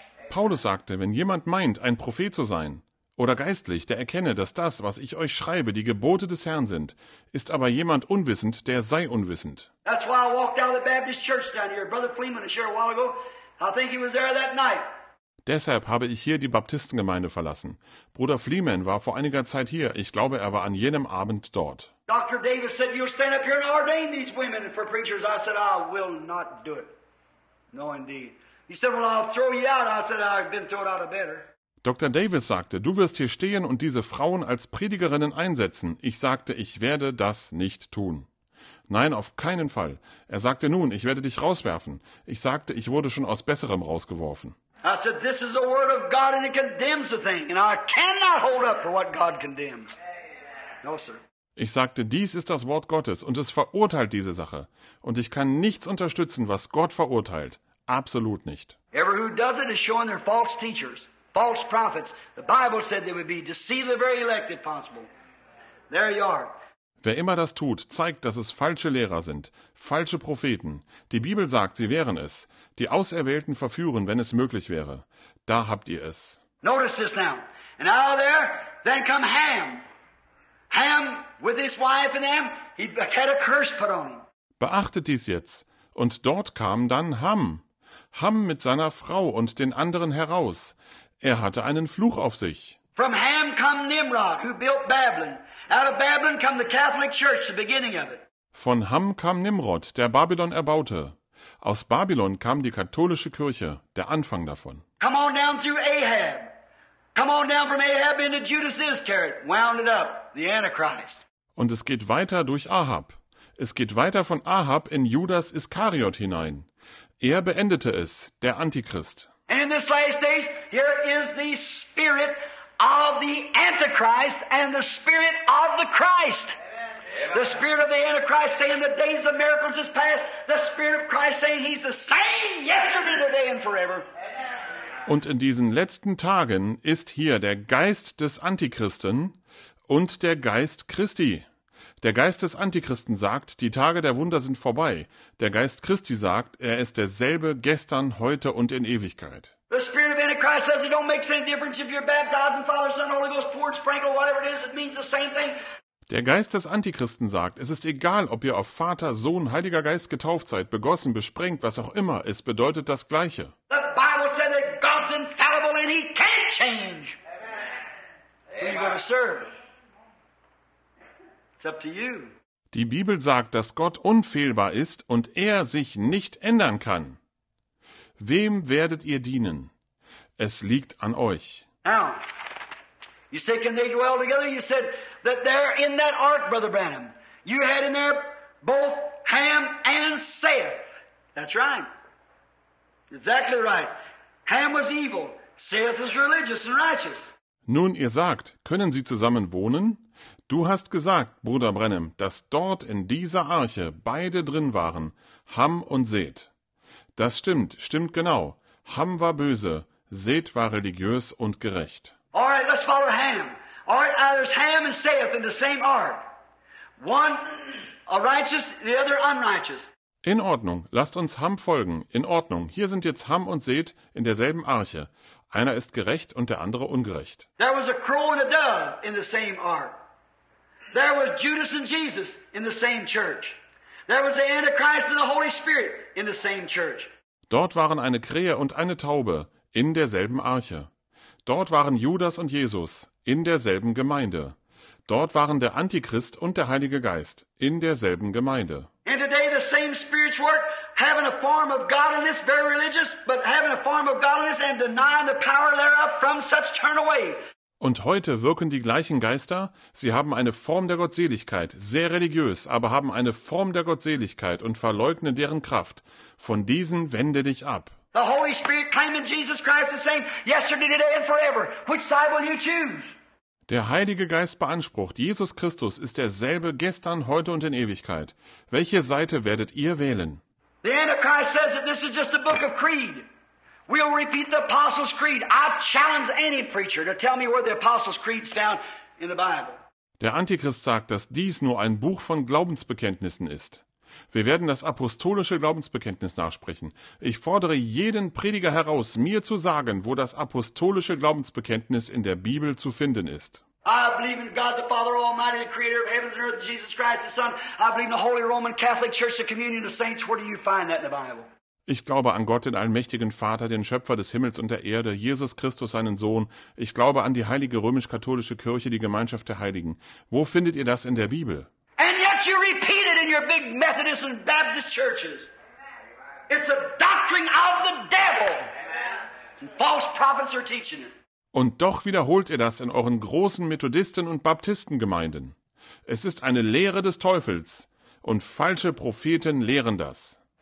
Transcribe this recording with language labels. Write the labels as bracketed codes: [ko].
[de] Paulus sagte, wenn jemand meint, ein Prophet zu sein, oder geistlich, der erkenne, dass das, was ich euch schreibe, die Gebote des Herrn sind, ist aber jemand unwissend, der sei unwissend. [en] That's why I walked out of the Baptist church down here. Brother Fleeman was here a while ago. I think he was there that night. [de] Deshalb habe ich hier die Baptistengemeinde verlassen. Bruder Fleeman war vor einiger Zeit hier. Ich glaube, er war an jenem Abend dort. [en] Dr. Davis said, you'll stand up here and ordain these women for preachers. I said, I will not do it. No, indeed. He said, well, I'll throw you out. I said, I've been thrown out of better. [de] Dr. Davis sagte, du wirst hier stehen und diese Frauen als Predigerinnen einsetzen. Ich sagte, ich werde das nicht tun. Nein, auf keinen Fall. Er sagte, nun, ich werde dich rauswerfen. Ich sagte, ich wurde schon aus Besserem rausgeworfen. [en] I said, this is the word of God and it condemns the thing. And I cannot hold up for what God condemns. No, sir. [de] Ich sagte, dies ist das Wort Gottes und es verurteilt diese Sache. Und ich kann nichts unterstützen, was Gott verurteilt. Absolut nicht. [en] Every who does it is showing their false teachers. False prophets. The Bible said they would be deceived the very elect if possible. There you are. [de] Wer immer das tut, zeigt, dass es falsche Lehrer sind, falsche Propheten. Die Bibel sagt, sie wären es. Die Auserwählten verführen, wenn es möglich wäre. Da habt ihr es. [en] Notice this now. And out of there, then come Ham. Ham with his wife and them, he had a curse put on him. [de] Beachtet dies jetzt. Und dort kam dann Ham. Ham mit seiner Frau und den anderen heraus. Er hatte einen Fluch auf sich. [en] From Ham come Nimrod, who built Babylon. Out of Babylon come the Catholic Church, the beginning of it. [de] Von Ham kam Nimrod, der Babylon erbaute. Aus Babylon kam die katholische Kirche, der Anfang davon. [en] Come on down through Ahab. Come on down from Ahab into Judas Iscariot, wound it up, the Antichrist. [de] Und es geht weiter durch Ahab. Es geht weiter von Ahab in Judas Iskariot hinein. Er beendete es, der Antichrist. [en] And in this last days, here is the spirit of the Antichrist and the spirit of the Christ. Amen. The spirit of the Antichrist saying the days of miracles is past. The spirit of Christ saying he's the same yesterday, today and forever. [de] Und in diesen letzten Tagen ist hier der Geist des Antichristen und der Geist Christi. Der Geist des Antichristen sagt, die Tage der Wunder sind vorbei. Der Geist Christi sagt, er ist derselbe gestern, heute und in Ewigkeit. [en] The spirit of Antichrist says it don't make any difference if you're baptized in Father, Son, Holy Ghost, poured, sprinkled, whatever it is, it means the same thing. [de] Der Geist des Antichristen sagt, es ist egal, ob ihr auf Vater, Sohn, Heiliger Geist getauft seid, begossen, besprengt, was auch immer, es bedeutet das Gleiche. [en] The Bible says that God's infallible and he can't change. Amen. Who are you going to serve? Up to you. [de] Die Bibel sagt, dass Gott unfehlbar ist und er sich nicht ändern kann. Wem werdet ihr dienen? Es liegt an euch. [en] Now, you say, can they dwell together? You said that there in that ark, Brother Branham, you had in there both Ham and Seth. That's right. Exactly right. Ham was evil. Seth was religious and righteous. [de] Nun, ihr sagt, können sie zusammen wohnen? Du hast gesagt, Bruder Branham, dass dort in dieser Arche beide drin waren, Ham und Seth. Das stimmt, stimmt genau. Ham war böse, Seth war religiös und gerecht. [en] All right, let's follow Ham. All right, there's Ham and Seth in the same ark. One a righteous, the other unrighteous. [de] In Ordnung, lasst uns Ham folgen. In Ordnung, hier sind jetzt Ham und Seth in derselben Arche. Einer ist gerecht und der andere ungerecht. [en] There was a crow and a dove in the same ark. There was Judas and Jesus in the same church. There was the Antichrist and the Holy Spirit in the same church. [de] Dort waren eine Krähe und eine Taube in derselben Arche. Dort waren Judas und Jesus in derselben Gemeinde. Dort waren der Antichrist und der Heilige Geist in derselben Gemeinde. [en] And today the same spirits work, having a form of godliness, very religious, but having a form of godliness and denying the power thereof from such turn away. [de] Und heute wirken die gleichen Geister, sie haben eine Form der Gottseligkeit, sehr religiös, aber haben eine Form der Gottseligkeit und verleugnen deren Kraft. Von diesen wende dich ab. [en] The Holy Spirit claiming Jesus Christ is saying, yesterday, today and forever. Which side will you choose? [de] Der Heilige Geist beansprucht, Jesus Christus ist derselbe gestern, heute und in Ewigkeit. Welche Seite werdet ihr wählen? [en] The Antichrist says that this is just a book of creed. We'll repeat the Apostles' Creed. I challenge any preacher to tell me where the Apostles' Creed is found in the Bible. [de] Der Antichrist sagt, dass dies nur ein Buch von Glaubensbekenntnissen ist. Wir werden das apostolische Glaubensbekenntnis nachsprechen. Ich fordere jeden Prediger heraus, mir zu sagen, wo das apostolische Glaubensbekenntnis in der Bibel zu finden ist. [en] I believe in God the Father Almighty, the Creator of heavens and earth, Jesus Christ the Son. I believe in the Holy Roman Catholic Church, the communion of saints. Where do you find that in the Bible? [de] Ich glaube an Gott, den allmächtigen Vater, den Schöpfer des Himmels und der Erde, Jesus Christus, seinen Sohn. Ich glaube an die heilige römisch-katholische Kirche, die Gemeinschaft der Heiligen. Wo findet ihr das in der Bibel? [en] And yet you repeat it in your big Methodist and Baptist churches. It's a doctrine of the devil. And false prophets are teaching it. [de] Und doch wiederholt ihr das in euren großen Methodisten- und Baptistengemeinden. Es ist eine Lehre des Teufels und falsche Propheten lehren das.